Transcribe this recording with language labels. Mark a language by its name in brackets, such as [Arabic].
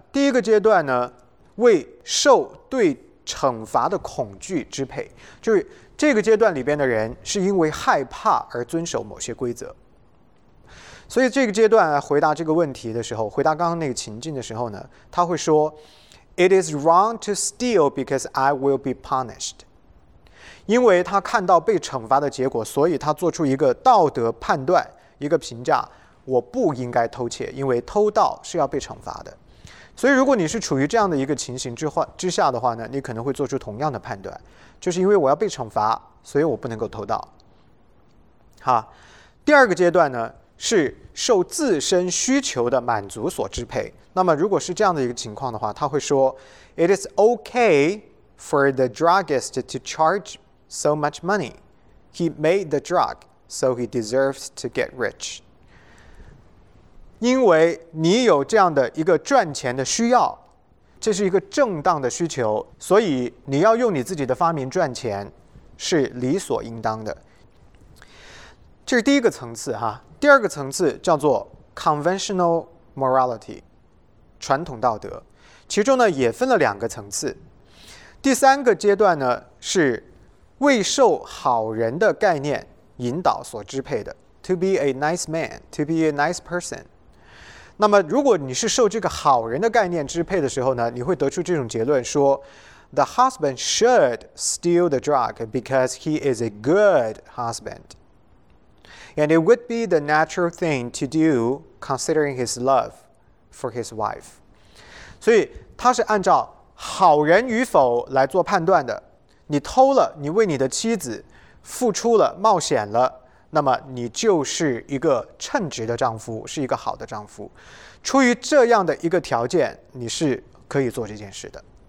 [Chinese] 第一个阶段呢为受对惩罚的恐惧支配，就是这个阶段里边的人是因为害怕而遵守某些规则。所以这个阶段回答这个问题的时候，回答刚刚那个情境的时候呢，他会说 [English] It is wrong to steal because I will be punished. [Chinese] 因为他看到被惩罚的结果，所以他做出一个道德判断，一个评价，我不应该偷窃，因为偷盗是要被惩罚的。所以如果你是处于这样的一个情形之下的话呢，你可能会做出同样的判断，就是因为我要被惩罚，所以我不能够偷盗。好，第二个阶段呢，是受自身需求的满足所支配。那么如果是这样的一个情况的话，他会说 [English] It is okay for the druggist to charge so much money. He made the drug, so he deserves to get rich. [Chinese] 因为你有这样的一个赚钱的需要，这是一个正当的需求，所以你要用你自己的发明赚钱是理所应当的。这是第一个层次哈。第二个层次叫做 conventional morality, 传统道德。其中呢也分了两个层次。第三个阶段呢是未受好人的概念引导所支配的 , [English] to be a nice man, to be a nice person。 [Chinese] 那么如果你是受这个好人的概念支配的时候呢，你会得出这种结论说 , [English] the husband should steal the drug because he is a good husband. And it would be the natural thing to do, considering his love for his wife. [Chinese] 所以他是按照好人与否来做判断的。你偷了，你为你的妻子付出了，冒险了，那么你就是一个称职的丈夫，是一个好的丈夫。出于这样的一个条件，你是可以做这件事的。